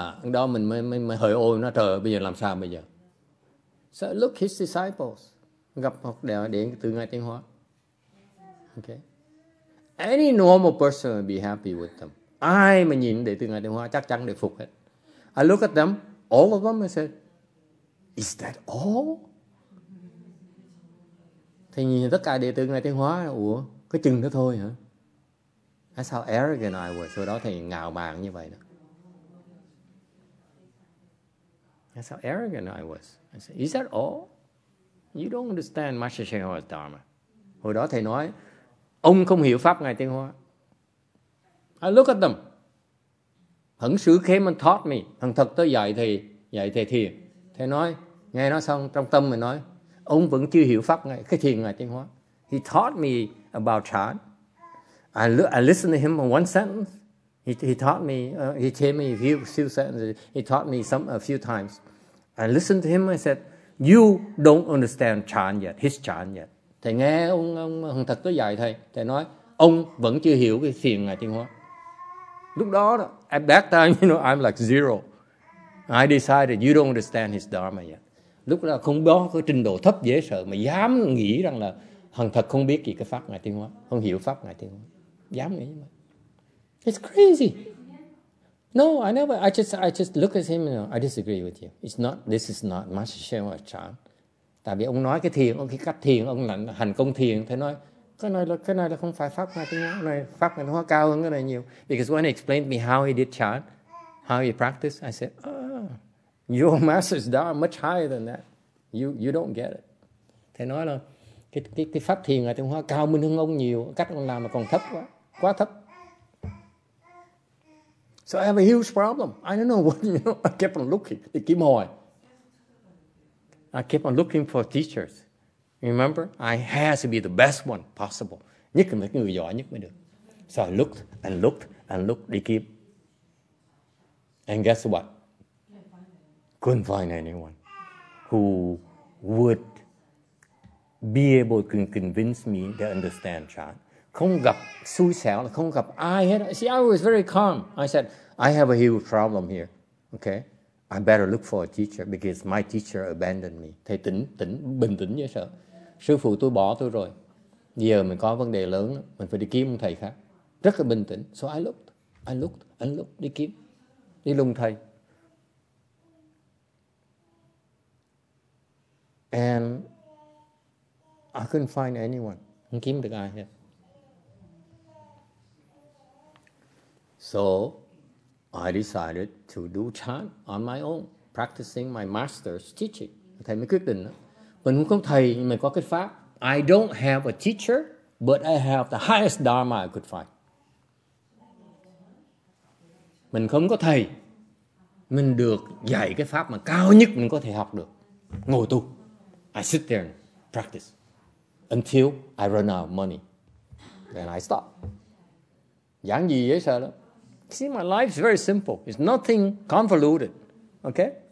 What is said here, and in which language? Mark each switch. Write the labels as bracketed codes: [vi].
[vi] Đó mình mới hơi ôi nó, trời bây giờ làm sao bây giờ? [en] So look his disciples. [vi] Gặp học đạo điện từ ngài Tiên Hóa. [en] Okay. Any normal person would be happy with them. [vi] Ai mà nhìn đệ tử ngài Tiên Hóa chắc chắn được phục hết. [en] I look at them, all of them, I said, is that all? [vi] Thì nhìn tất cả đệ tử ngài Tiên Hóa, ủa, có chừng đó thôi hả? [en] That's how arrogant I was. [vi] Sau đó thầy ngạo mạn như vậy đó. [en] That's how arrogant I was. I said, is that all? You don't understand Master Sheng Hoa's Dharma. [vi] Hồi đó thầy nói, ông không hiểu Pháp Ngài Tiên Hóa. [en] I look at them. Thần sư came and taught me. [vi] Thần thật tới dạy thầy thiền. Thầy nói, nghe nói xong, trong tâm mình nói, ông vẫn chưa hiểu Pháp Ngài, cái thiền Ngài Tiên Hóa. [en] He taught me about Chan. I listened to him in one sentence. He taught me a few sentences. He taught me a few times. I listened to him. I said, you don't understand Chan yet, his Chan yet. [vi] Thầy nghe ông thật tới dạy thầy, thầy nói ông vẫn chưa hiểu cái phiền ngài Thiên Hóa. Lúc đó, [en] at that time, you know, I'm like zero. I decided you don't understand his dharma yet. [vi] Lúc đó không có cái trình độ thấp dễ sợ mà dám nghĩ rằng là thằng thật không biết gì cái pháp ngài Thiên Hóa, không hiểu pháp ngài Thiên Hóa, dám nghĩ mà. [en] It's crazy. No, I just look at him and I disagree with you. It's not, this is not Master Shenhua Chan. [vi] Tại vì ông nói cái thiền, ông cái cách thiền, ông là hành công thiền, thầy nói cái này là không phải pháp ngài Thiên Hóa, này pháp ngài Thiên Hóa cao hơn cái này nhiều. [en] Because when he explained to me how he did chan, how he practiced, I said, your master's dharma are much higher than that. You don't get it. [vi] Thầy nói là cái pháp thiền ngài Thiên Hóa cao minh hơn ông nhiều, cách ông làm mà còn thấp quá, quá thấp. [en] So I have a huge problem. I don't know what, you know, I kept on looking. I keep on. I kept on looking for teachers. Remember, I had to be the best one possible. [vi] Nhất là cái người giỏi nhất mới được. [en] So I looked and looked and looked, [vi] đi kiếm. [en] And guess what? Couldn't find anyone who would be able to convince me to understand Chan. [vi] Không gặp xui xẻo, không gặp ai hết. [en] See, I was very calm. I said, I have a huge problem here. Okay? I better look for a teacher because my teacher abandoned me. [vi] Thầy tỉnh, bình tĩnh như sợ. Sư phụ tôi bỏ tôi rồi. Giờ mình có vấn đề lớn, mình phải đi kiếm một thầy khác. Rất là bình tĩnh. [en] So I looked, [vi] đi kiếm, đi lùng thầy. [en] And I couldn't find anyone. [vi] Không kiếm được ai hết. [en] So I decided to do chan on my own, practicing my master's teaching. [vi] Thầy mới quyết định đó. Mình không có thầy, nhưng mà có cái pháp. [en] I don't have a teacher, but I have the highest dharma I could find. [vi] Mình không có thầy. Mình được dạy cái pháp mà cao nhất mình có thể học được. Ngồi tu. [en] I sit there and practice. Until I run out of money. Then I stop. [vi] Giảng gì dễ sợ lắm. [en] See, my life is very simple. It's nothing convoluted. Okay?